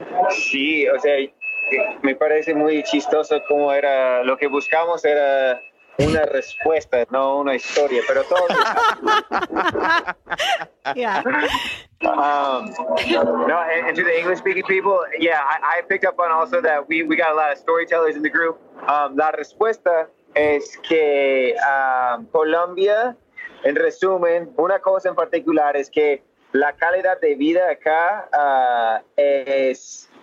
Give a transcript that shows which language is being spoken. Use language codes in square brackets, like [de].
[es] Sí, o sea, me parece muy chistoso cómo era, lo que buscamos era una respuesta, no una historia, pero todo. [en] Yeah. No, and to the English speaking people, yeah, I picked up on also that we got a lot of storytellers in the group. [es] La respuesta es que Colombia, en resumen, una cosa en particular es que la calidad de vida acá es...